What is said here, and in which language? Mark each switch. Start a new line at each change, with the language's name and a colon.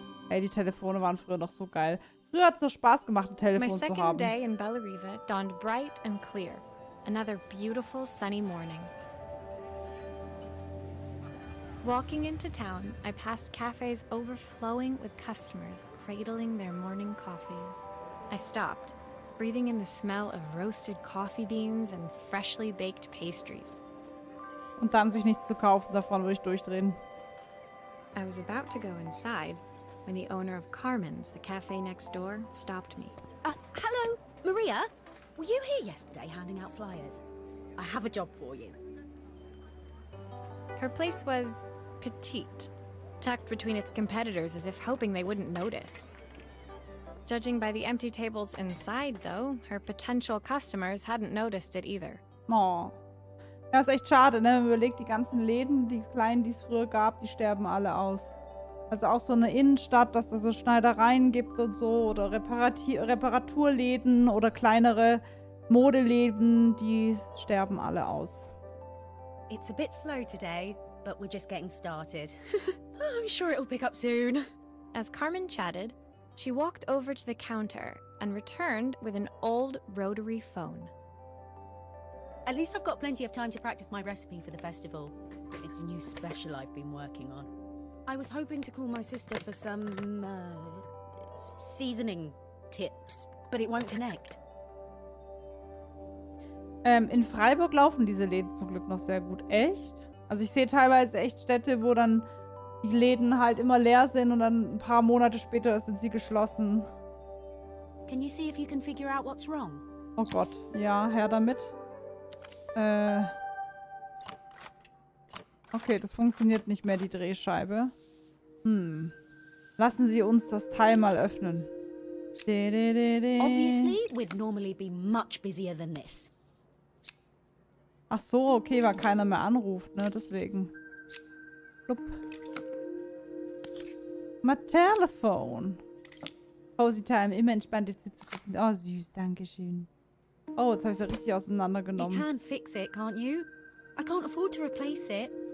German: Ey, die Telefone waren früher noch so geil. Früher hat es noch Spaß gemacht, ein Telefon zu haben.
English: My second day in Bellariva dawned bright and clear. Another beautiful sunny morning. Walking into town, I passed cafes overflowing with customers cradling their morning coffees. I stopped, breathing in the smell of roasted coffee beans and freshly baked pastries.
German: Und dann sich nichts zu kaufen, davon würde ich durchdrehen.
English: I was about to go inside, when the owner of Carmen's, the cafe next door, stopped me. Hello, Maria? Were you here yesterday handing out flyers? I have a job for you. Her place was petite, tucked between its competitors as if hoping they wouldn't notice. Judging by the empty tables inside, though, her potential customers hadn't noticed it either. Aw.
German: Ja, ist echt schade, ne? Wenn man überlegt, die ganzen Läden, die kleinen, die es früher gab, die sterben alle aus. Also auch so eine Innenstadt, dass da so Schneidereien gibt und so, oder Reparaturläden oder kleinere Modeläden, die sterben alle aus.
English: It's a bit slow today, but we're just getting started. I'm sure it'll pick up soon. As Carmen chatted, she walked over to the counter and returned with an old rotary phone. At least I've got plenty of time to practice my recipe for the festival. It's a new special I've been working on. I was hoping to call my sister for some, seasoning tips, but it won't connect.
German: In Freiburg laufen diese Läden zum Glück noch sehr gut. Echt? Also ich sehe teilweise echt Städte, wo dann die Läden halt immer leer sind und dann ein paar Monate später sind sie geschlossen.
English: Can you see if you can figure out what's wrong?
German: Oh Gott, ja, her damit. Okay, das funktioniert nicht mehr, die Drehscheibe. Lassen Sie uns das Teil mal öffnen.
English: Obviously, we'd normally be much busier than this.
German: Ach so, okay, weil keiner mehr anruft, ne, deswegen. Blub.
English: My telephone. Cozy time,
German: immer entspannt, jetzt zu gucken. Oh, süß, danke schön. Oh, jetzt habe ich es ja richtig auseinandergenommen.
English: You can fix it, can't you? I can't afford to replace it.